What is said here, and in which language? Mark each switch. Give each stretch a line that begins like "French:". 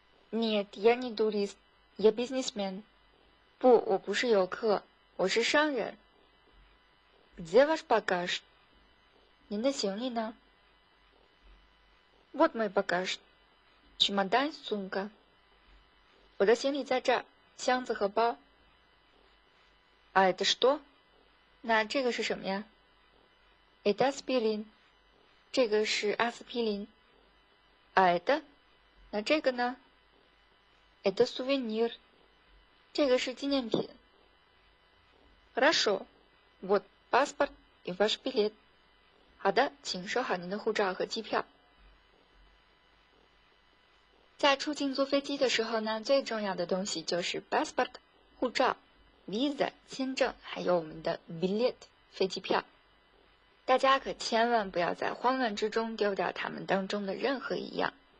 Russian: Нет, я не турист. Я бизнесмен.
Chinese: 不，我不是游客，我是商人。
Russian: Где ваш багаж?
Chinese: 您的行李呢？
Russian: Вот мой багаж. Чемодан, сумка.
Chinese: 我的行李在这儿，箱子和包。
Russian: А это что?
Chinese: 那这个是什么呀？
Russian: Это аспирин.
Chinese: 这个是阿司匹林。
Russian: А это?
Chinese: 那这个呢？
Russian: Это сувенир.
Chinese: 这个是纪念品。
Russian: Хорошо, вот паспорт и ваш билет.
Chinese: 好的，请收好您的护照和机票。在出境坐飞机的时候呢，最重要的东西就是 паспорт 护照、visa 签证，还有我们的 билет 飞机票。大家可千万不要在慌乱之中丢掉他们当中的任何一样。